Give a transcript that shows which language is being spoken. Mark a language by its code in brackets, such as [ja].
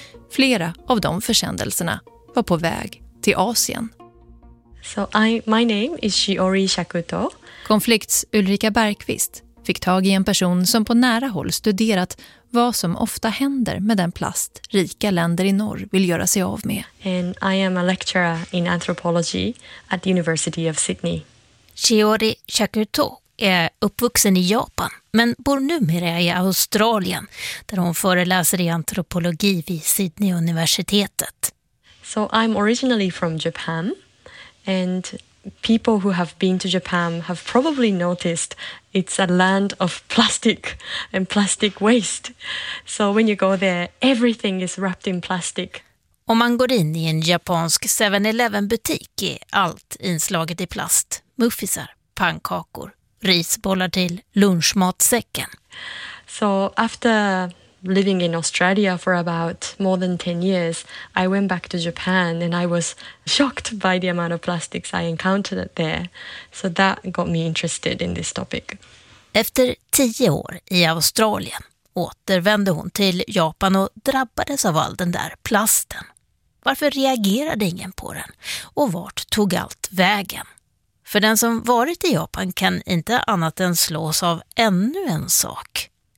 [sv] Flera av de försändelserna var på väg till Asien. [en] So my name is Shiori Shakuto. [sv] Konflikts Ulrika Bergqvist fick tag i en person som på nära håll studerat vad som ofta händer med den plast rika länder i norr vill göra sig av med. [en] And I am a lecturer in anthropology at the University of Sydney. [sv] Shiori Shakuto är uppvuxen i Japan men bor numera i Australien där hon föreläser i antropologi vid Sydney universitetet. [en] So I'm originally from Japan and people who have been to Japan have probably noticed it's a land of plastic and plastic waste. So when you go there, everything is wrapped in plastic. [sv] Om man går in i en japansk 7-Eleven-butik är allt inslaget i plast. Muffisar, pannkakor, risbollar till lunchmatsäcken. [en] So after living in Australia for about more than 10 years, I went back to Japan and I was shocked by the amount of plastics I encountered there. So that got me interested in this topic. [sv] Efter 10 år i Australien återvände hon till Japan och drabbades av all den där plasten. Varför reagerade ingen på den? Och vart tog allt vägen? För den som varit i Japan kan inte annat än slås av ännu en sak.